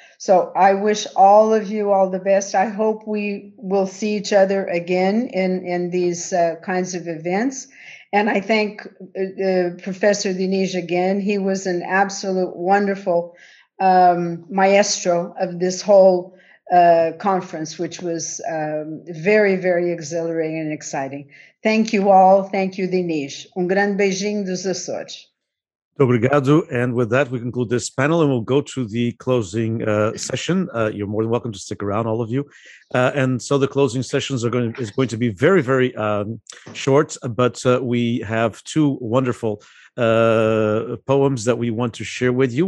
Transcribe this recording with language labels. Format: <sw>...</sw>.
<en>So I wish all of you all the best. I hope we will see each other again in these kinds of events. And I thank Professor Diniz again. He was an absolute wonderful maestro of this whole conference, which was very, very exhilarating and exciting. Thank you all. Thank you, Diniz.</en> <pt>Um grande beijinho dos Açores. Obrigado.</pt> <en>And with that, we conclude this panel and we'll go to the closing session. You're more than welcome to stick around, all of you. And so the closing sessions is going to be very, very short, but we have two wonderful poems that we want to share with you.</en>